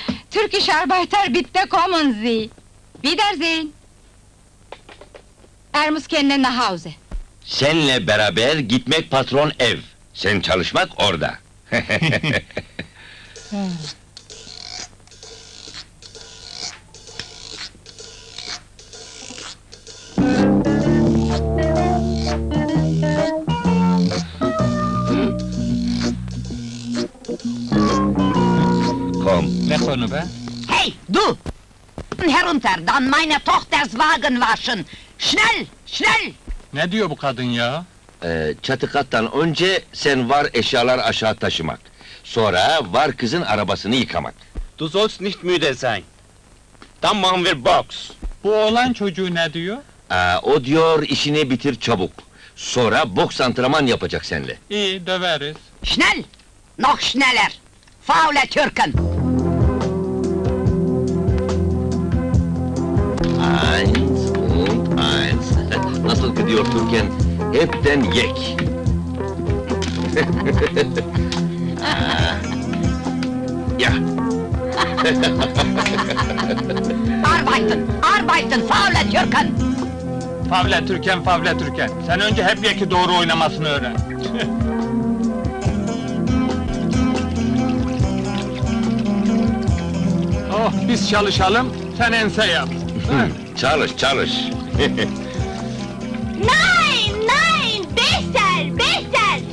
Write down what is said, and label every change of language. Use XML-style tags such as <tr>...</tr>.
<de>Türkisch Arbeiter bitte kommen Sie. Wiedersehen. Er muss gerne nach Hause.</de> <tr>Senle beraber gitmek patron ev. Sen çalışmak orada. Ne konu be?</tr> <de>Hey, du! Herunter, dann meine Tochter's Wagen waschen! Schnell, schnell!</de> <tr>Ne diyor bu kadın ya? Çatı kattan önce sen var eşyalar aşağı taşımak. Sonra var kızın arabasını yıkamak.</tr> <de>Du sollst nicht müde sein. Dann machen wir Box.</de> <tr>Bu oğlan çocuğu ne diyor? O diyor işini bitir çabuk. Sonra boks antrenman yapacak seninle. İyi, döveriz.</tr> <de>Schnell! Noch schneller! Faule Türken! Eins und eins.</de> <tr>Nasıl gidiyor Türken? Hepten yek. Ya.</tr> <de>Arbeiten, arbeiten, faule Türken. Faule Türken, faule Türken.</de> <tr>Sen önce hep yeki doğru oynamasını öğren. Oh, biz çalışalım, sen ense yap. Çalış, çalış.</tr> <de>Nein, nein, besser, besser.</de>